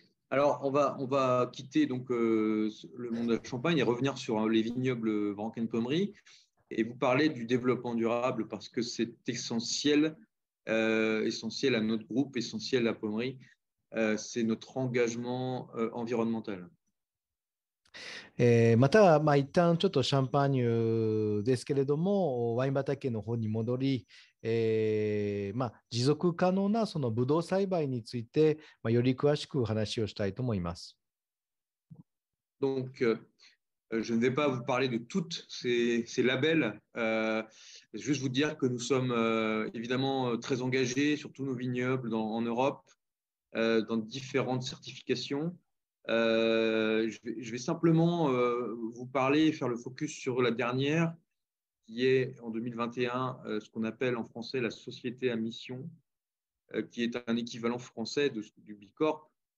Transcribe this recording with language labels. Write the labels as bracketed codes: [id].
[fr] Alors on va quitter donc, le monde de champagne et revenir sur les vignobles Vranken Pommerie. Et vous parlez du développement durable parce que c'est essentiel, essentiel à notre groupe, essentiel à Pommerie. C'est notre engagement environnemental. [ja] また、一旦ちょっとシャンパーニュですけれども、ワイン畑の方に戻り、持続可能なそのブドウ栽培について、より詳しく話をしたいと思います。 [fr] Donc, je ne vais pas vous parler de tous ces labels. Juste vous dire que nous sommes évidemment très engagés sur tous nos vignobles en Europe, dans différentes certifications. Je vais simplement vous parler et faire le focus sur la dernière, qui est en 2021 ce qu'on appelle en français la société à mission, qui est un équivalent français du Bicorp.